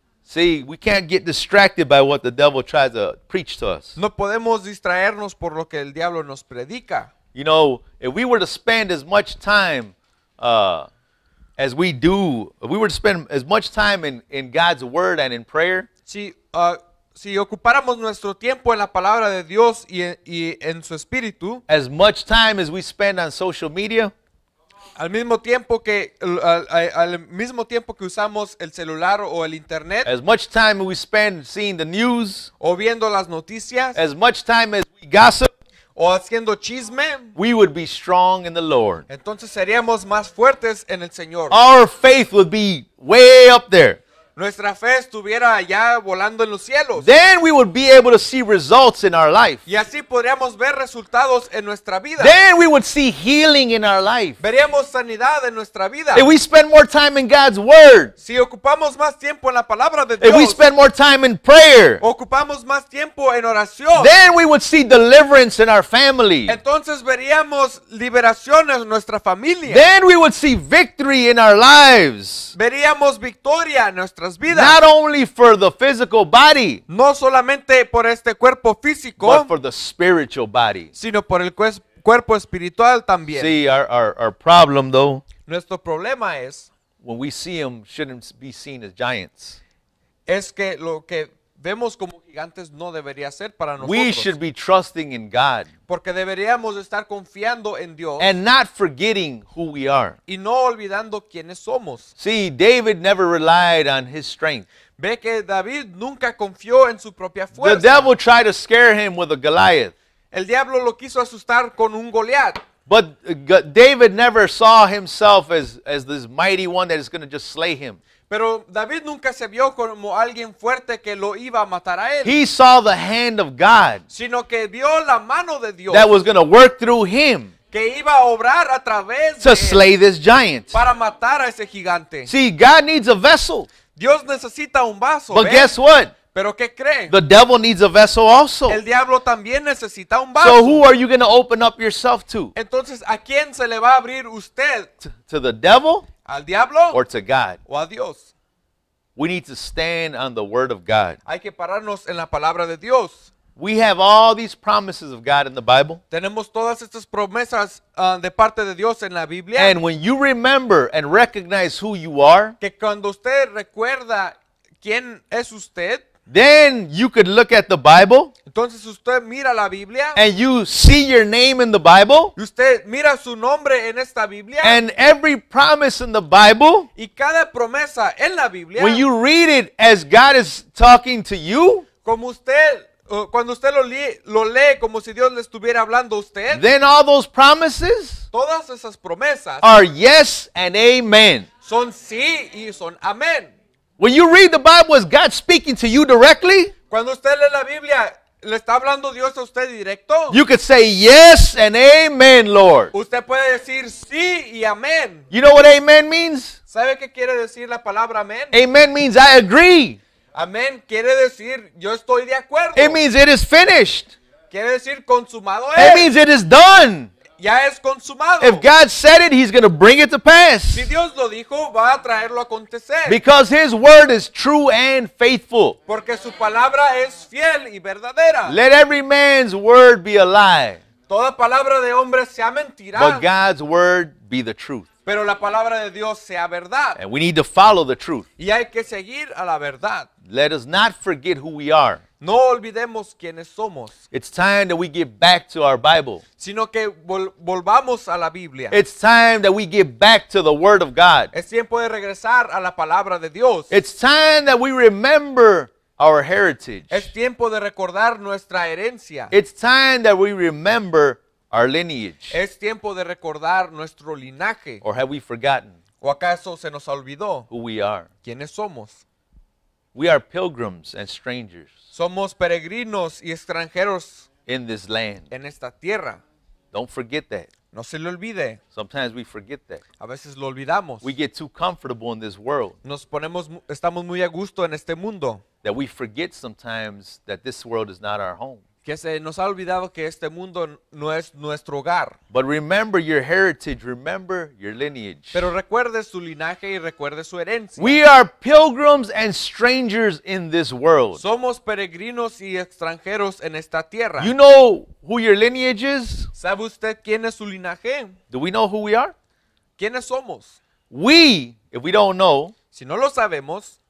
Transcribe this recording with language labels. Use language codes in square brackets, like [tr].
[en] See, we can't get distracted by what the devil tries to preach to us. [es] No podemos distraernos por lo que el diablo nos predica. [en] You know, if we were to spend as much time as we do, if we were to spend as much time in God's word and in prayer, [es] si ocupáramos nuestro tiempo en la palabra de Dios y en su espíritu, [en] as much time as we spend on social media, [es] Al mismo tiempo que usamos el celular o el internet, [en] as much time we spend seeing the news, [es] o viendo las noticias, [en] as much time as we gossip, [es] o haciendo chisme, [en] we would be strong in the Lord. [es] Entonces seríamos más fuertes en el Señor. [en] Our faith would be way up there. [es] Nuestra fe estuviera allá volando en los cielos. [en] Then we would be able to see results in our life. [es] Y así podríamos ver resultados en nuestra vida. [en] Then we would see healing in our life. [es] Veríamos sanidad en nuestra vida. [en] If we spend more time in God's word. [es] Si ocupamos más tiempo en la palabra de Dios. [en] If we spend more time in prayer. [es] Ocupamos más tiempo en oración. [en] Then we would see deliverance in our family. [es] Entonces veríamos liberación en nuestra familia. [en] Then we would see victory in our lives. [es] Veríamos victoria en [en] not only for the physical body, [es] no solamente por este cuerpo físico, [en] but for the spiritual body, [es] sino por el cuerpo espiritual también. [en] See, our problem though, [es] nuestro problema es, [en] when we see them, shouldn't be seen as giants. [es] Es que lo que vemos como gigantes no debería ser para nosotros. [en] We should be trusting in God. [es] Porque deberíamos estar confiando en Dios. [en] And not forgetting who we are. [es] Y no olvidando quiénes somos. [en] See, David never relied on his strength. [es] Ve que David nunca confió en su propia fuerza. [en] The devil tried to scare him with a Goliath. [es] El diablo lo quiso asustar con un Goliat. [en] But David never saw himself as this mighty one that is going to just slay him. [es] Pero David nunca se vio como alguien fuerte que lo iba a matar a él. [en] He saw the hand of God. [es] Sino que vio la mano de Dios. [en] That was going to work through him. [es] Que iba a obrar a través de él. [en] To slay this giant. [es] Para matar a ese gigante. [en] See, God needs a vessel. [es] Dios necesita un vaso. [en] But guess what? [es] ¿Pero qué cree? [en] The devil needs a vessel also. [es] El diablo también necesita un vaso. [en] So who are you going to open up yourself to? [es] Entonces, ¿a quién se le va a abrir usted? [en] To the devil? [es] ¿Al diablo? [en] Or to God? [es] ¿O a Dios? [en] We need to stand on the word of God. [es] Hay que pararnos en la palabra de Dios. [en] We have all these promises of God in the Bible. [es] Tenemos todas estas promesas de parte de Dios en la Biblia. [en] And when you remember and recognize who you are, [es] que cuando usted recuerda quién es usted, [en] Then you could look at the Bible. [es] Entonces usted mira la Biblia. [en] And you see your name in the Bible. [es] Y usted mira su nombre en esta Biblia. [en] And every promise in the Bible. [es] Y cada promesa en la Biblia. [en] When you read it as God is talking to you. [es] Como usted cuando usted lo lee como si Dios le estuviera hablando a usted. [en] Then all those promises. [es] Todas esas promesas. [en] Are yes and amen. [es] Son sí y son amén. [en] When you read the Bible as God speaking to you directly, [es] cuando usted lee la Biblia, le está hablando Dios a usted directo. [en] You could say yes and amen, Lord. [es] Usted puede decir sí y amén. [en] You know what amen means? [es] ¿Sabe qué quiere decir la palabra amén? [en] Amen means I agree. [es] Amén quiere decir yo estoy de acuerdo. [en] It means it is finished. [es] Quiere decir consumado [en] es. It means it is done. [es] Ya es consumado. [en] If God said it, he's going to bring it to pass. [es] Si Dios lo dijo, va a traerlo a acontecer. [en] Because his word is true and faithful. [es] Porque su palabra es fiel y verdadera. [en] Let every man's word be a lie. [es] Toda palabra de hombre sea mentira. [en] But God's word be the truth. [es] Pero la palabra de Dios sea verdad. [en] And we need to follow the truth. [es] Y hay que seguir a la verdad. [en] Let us not forget who we are. [es] No olvidemos quiénes somos. [en] It's time that we get back to our Bible. [es] Sino que volvamos a la Biblia. [en] It's time that we get back to the Word of God. [es] Es tiempo de regresar a la palabra de Dios. [en] It's time that we remember our heritage. [es] Es tiempo de recordar nuestra herencia. [en] It's time that we remember our lineage. [es] Es tiempo de recordar nuestro linaje. [en] Or have we forgotten? [es] ¿O acaso se nos olvidó? [en] Who we are. [es] ¿Quiénes somos? [en] We are pilgrims and strangers. [es] Somos peregrinos y extranjeros [en] in this land. [es] En esta tierra. [en] Don't forget that. [es] No se le olvide. [en] Sometimes we forget that. [es] A veces lo olvidamos. [en] We get too comfortable in this world. [es] Nos ponemos, estamos muy a gusto en este mundo. [en] That we forget sometimes that this world is not our home. [es] Que se nos ha olvidado que este mundo no es nuestro hogar. [en] But remember your heritage, remember your lineage. [es] Pero recuerde su linaje y recuerde su herencia. [en] We are pilgrims and strangers in this world. [es] Somos peregrinos y extranjeros en esta tierra. [en] You know who your lineage is? [es] ¿Sabe usted quién es su linaje? [en] Do we know who we are? [es] ¿Quiénes somos? [en] We, if we don't know, [es] si no lo sabemos,